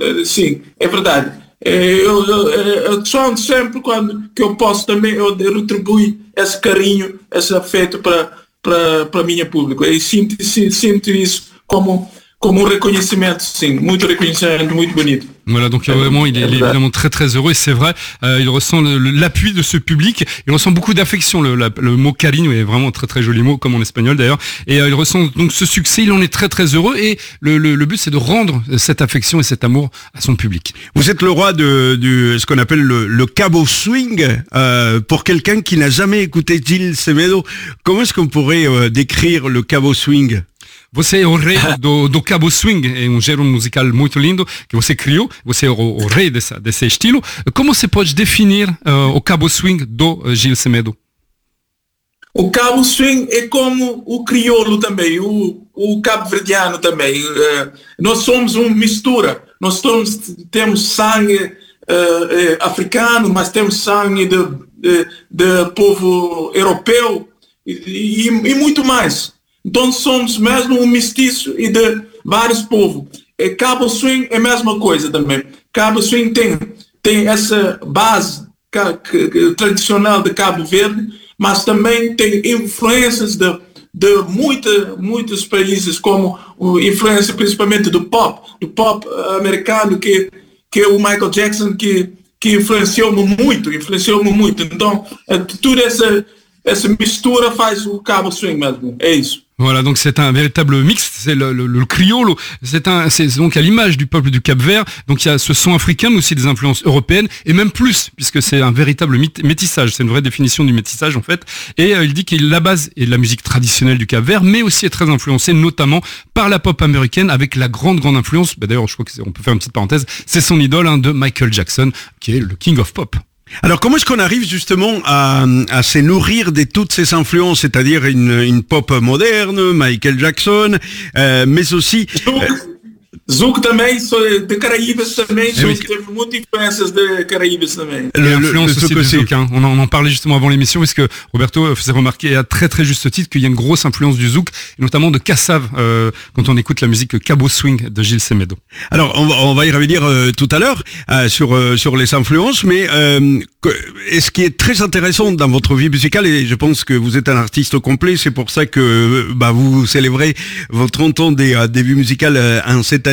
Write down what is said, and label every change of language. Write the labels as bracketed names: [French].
[Portuguese] Sim, é verdade. Eu sonho sempre quando que eu posso também, eu retribuir esse carinho, esse afeto para a minha público. E sinto isso como um reconhecimento, sim, muito reconhecimento, muito bonito. [French] Voilà, donc vraiment, il est évidemment très très heureux, et c'est vrai, il ressent l'appui de ce public, il ressent beaucoup d'affection, le mot cariño est vraiment un très très joli mot, comme en espagnol d'ailleurs, et il ressent donc ce succès, il en est très très heureux, et le but c'est de rendre cette affection et cet amour à son public. Vous êtes le roi de ce qu'on appelle le cabo swing, pour quelqu'un qui n'a jamais écouté Gil Semedo, comment est-ce qu'on pourrait décrire le cabo swing? [Portuguese] Você é o rei do cabo swing, é um gênero musical muito lindo que você criou, você é o rei desse estilo. Como você pode definir o cabo swing do Gil Semedo? O cabo swing é como o crioulo também, o cabo-verdiano também. Nós somos uma mistura, temos sangue africano, mas temos sangue de povo europeu e muito mais. Então somos mesmo um mestiço e de vários povos. E cabo swing é a mesma coisa também. Cabo swing tem essa base tradicional de Cabo Verde, mas também tem influências de muitos países, como influência principalmente do pop americano, que é o Michael Jackson, que influenciou-me muito. Então, toda essa mistura faz o cabo swing mesmo, é isso. [French] Voilà, donc c'est un véritable mix, c'est le criollo, c'est donc à l'image du peuple du Cap-Vert, donc il y a ce son africain mais aussi des influences européennes, et même plus, puisque c'est un véritable métissage, c'est une vraie définition du métissage en fait, et il dit que la base est la musique traditionnelle du Cap-Vert, mais aussi est très influencée notamment par la pop américaine, avec la grande influence, d'ailleurs je crois qu'on peut faire une petite parenthèse, c'est son idole de Michael Jackson, qui est le King of Pop. Alors comment est-ce qu'on arrive justement à se nourrir de toutes ces influences, c'est-à-dire une pop moderne, Michael Jackson, mais aussi... [Portuguese] Zouk também, sou de Caraíbas também, teve muitas influências de Caraíbas também. [French] L'influence aussi de Zouk, hein. On en parlait justement avant l'émission, parce que Roberto faisait remarquer à très très juste titre qu'il y a une grosse influence du Zouk, et notamment de Kassav, quand on écoute la musique Cabo Swing de Gil Semedo. Alors, on va y revenir tout à l'heure sur les influences, mais ce qui est très intéressant dans votre vie musicale, et je pense que vous êtes un artiste complet, c'est pour ça que vous célébrez votre 30 ans de début musical en cette année,